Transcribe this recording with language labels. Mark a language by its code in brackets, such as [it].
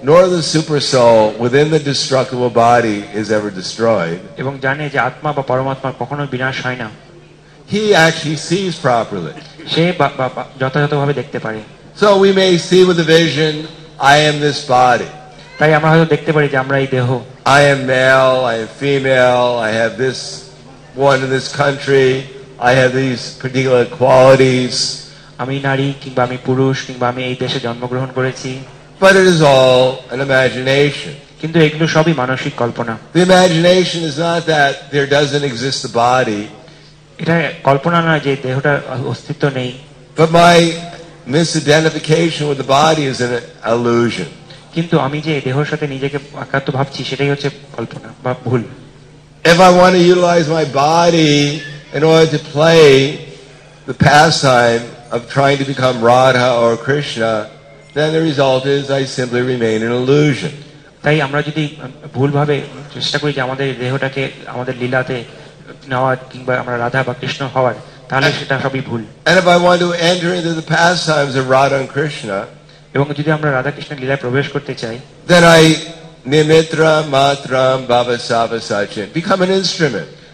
[en] nor the super soul within the destructible body is ever destroyed. [bn] এবং জানে যে আত্মা বা পরমাত্মার কখনো বিনাশ হয় না. [en] He actually sees properly. [bn] সে যথাযথভাবে দেখতে পারে. [en] So we may see with a vision, I am this body. [bn] তাই আমরা হয়তো দেখতে পারি যে আমরা এই দেহ. [en] I am male, I am female, I have this one in this country, I have these particular qualities. [bn] আমি নারী কিংবা আমি পুরুষ কিংবা আমি এই দেশে জন্মগ্রহণ করেছি. [en] But it is all an imagination. [bn] কিন্তু এগুলো সবই মানসিক কল্পনা. [en] The imagination is not that there doesn't exist the body. [bn] এটা কল্পনা না যে দেহটার অস্তিত্ব নেই. [en] But my misidentification with the body is an illusion. [bn] কিন্তু আমি যে দেহের সাথে নিজেকে একাত্ম ভাবছি সেটাই হচ্ছে কল্পনা বা ভুল. [en] If I want to utilize my body in order to play the pastime of trying to become Radha or Krishna, then the result is I simply remain an illusion. [bn] তাই আমরা যদি ভুলভাবে চেষ্টা করি যে আমাদের দেহটাকে আমাদের লীলাতে নেওয়ার কিংবা আমরা রাধা বা কৃষ্ণ হওয়ার তাহলে সেটা সবই ভুল. [en] And if I want to enter into the pastimes of Radha and Krishna, [bn] এবং যদি আমরা রাধা কৃষ্ণের লীলায় প্রবেশ করতে চাই, [en] then I [sa] nimitra matram bhava sava sachin [en] become an instrument.